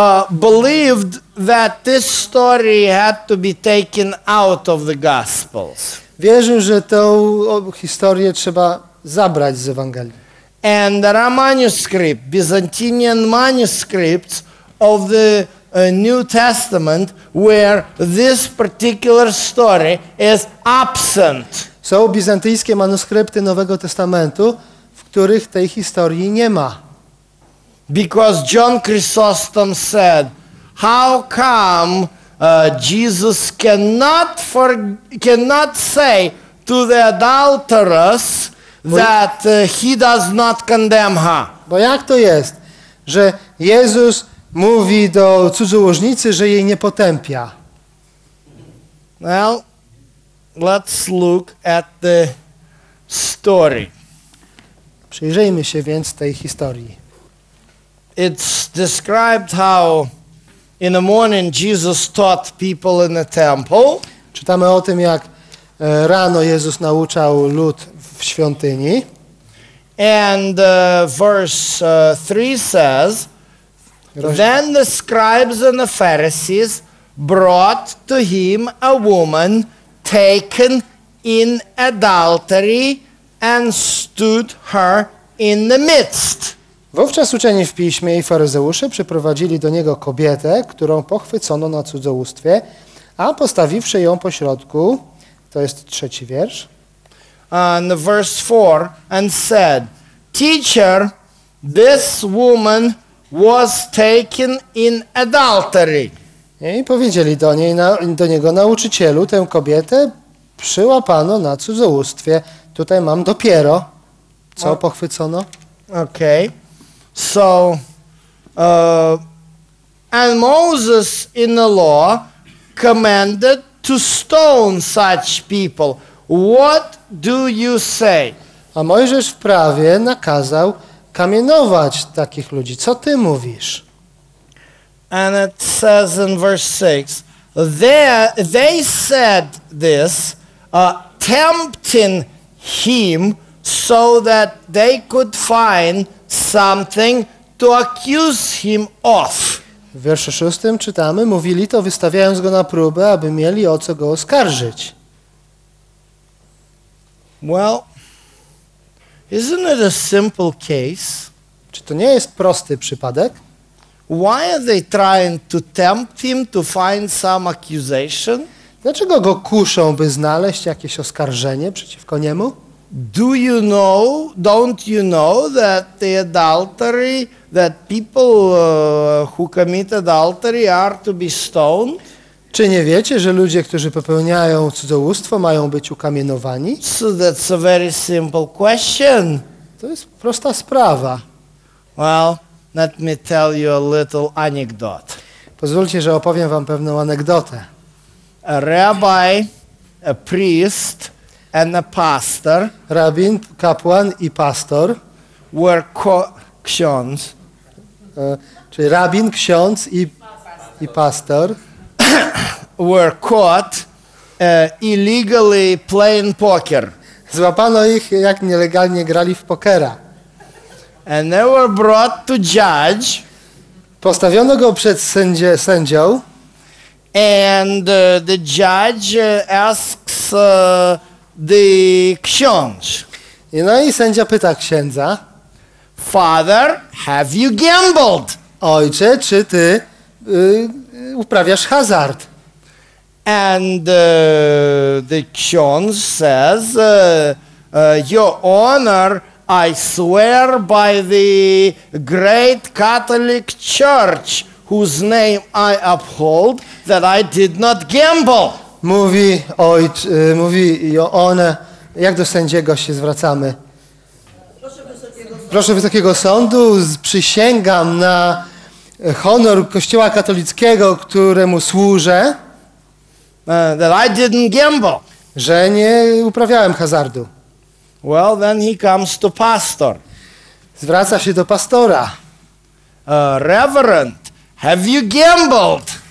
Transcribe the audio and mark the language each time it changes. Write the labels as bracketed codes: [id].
[en] believed that this story had to be taken out of the Gospels. [pl] Wierzył, że tą historię trzeba zabrać z Ewangelii. [en] And there are manuscripts, Byzantine manuscripts of the New Testament, where this particular story is absent. [pl] Są bizantyjskie manuskrypty Nowego Testamentu, w których tej historii nie ma. [en] Because John Chrysostom said, how come Jesus cannot say to the adulteress that he does not condemn her. [pl] Bo jak to jest, że Jezus mówi do cudzołożnicy, że jej nie potępia? [en] Well, let's look at the story. [pl] Przyjrzyjmy się więc tej historii. [en] It's described how in the morning Jesus taught people in the temple. [pl] Czytamy o tym, jak rano Jezus nauczał lud w świątyni. [en] And verse 3 says, then the scribes and the Pharisees brought to him a woman taken in adultery and stood her in the midst. [pl] Wówczas uczeni w piśmie i faryzeusze przyprowadzili do niego kobietę, którą pochwycono na cudzołóstwie, a postawiwszy ją po środku, to jest trzeci wiersz. And the verse 4 and said, Teacher, this woman was taken in adultery. I powiedzieli do niej, do niego, nauczycielu, tę kobietę przyłapano na cudzołóstwie. Tutaj mam dopiero, co pochwycono. [en] Okay. So, and Moses in the law commanded to stone such people. What do you say? [pl] A Mojżesz w prawie nakazał kamienować takich ludzi. Co ty mówisz? [en] And it says in verse 6, they said this, tempting him so that they could find something to accuse him of. [pl] W wierszu 6 czytamy, mówili to, wystawiając go na próbę, aby mieli o co go oskarżyć. [en] Well, isn't it a simple case? [pl] Czy to nie jest prosty przypadek? [en] Why are they trying to tempt him to find some accusation? [pl] Dlaczego go kuszą, by znaleźć jakieś oskarżenie przeciwko niemu? [en] Do you know, don't you know that the adultery, that people who commit adultery are to be stoned? [pl] Czy nie wiecie, że ludzie, którzy popełniają cudzołóstwo, mają być ukamienowani? [en] So that's a very simple question. [pl] To jest prosta sprawa. [en] Well, let me tell you a little anecdote. [pl] Pozwólcie, że opowiem wam pewną anegdotę. [en] A rabbi, a priest and a pastor. [pl] Rabin, kapłan i pastor. [en] Were ksiądz. [pl] Czyli rabin, ksiądz i pastor. [en] Were caught illegally playing poker. [pl] Złapano ich, jak nielegalnie grali w pokera. [en] And they were brought to judge. [pl] Postawiono go przed sędzią. [en] And the judge asks the ksiądz. [pl] No i sędzia pyta księdza. [en] Father, have you gambled? [pl] Ojcze, czy ty uprawiasz hazard? [en] And the ksiądz says, Your Honor, I swear by the great Catholic Church, whose name I uphold, that I did not gamble. [pl] Mówi ojcze, mówi [en] Your Honor, [pl] jak do sędziego się zwracamy? Proszę Wysokiego Sądu, przysięgam na honor Kościoła Katolickiego, któremu służę. [en] That I didn't gamble. [pl] Że nie uprawiałem hazardu. [en] Well, then he comes to pastor. [pl] Zwraca się do pastora. [en] Reverend, have you gambled?